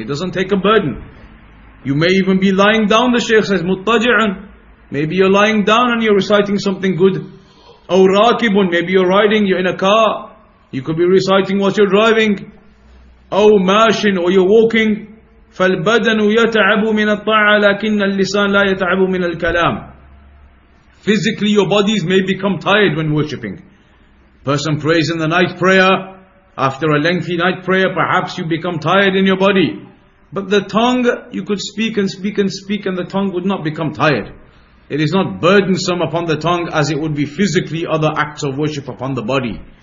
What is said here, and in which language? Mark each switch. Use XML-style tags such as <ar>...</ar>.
<en>It doesn't take a burden. You may even be lying down, the Shaykh says, muttaji'an. Maybe you're lying down and you're reciting something good.</en> <ar>Aw raakibun,</ar> <en>maybe you're riding, you're in a car. You could be reciting while you're driving.</en> <ar>أو ماشين,</ar> <en>or you're walking.</en> <ar>فالبدن يتعب من الطاعة لكن اللسان لا يتعب من الكلام.</ar> <en>Physically your bodies may become tired when worshipping. Person prays in the night prayer. After a lengthy night prayer, perhaps you become tired in your body. But the tongue, you could speak and speak and speak and the tongue would not become tired. It is not burdensome upon the tongue as it would be physically other acts of worship upon the body.</en>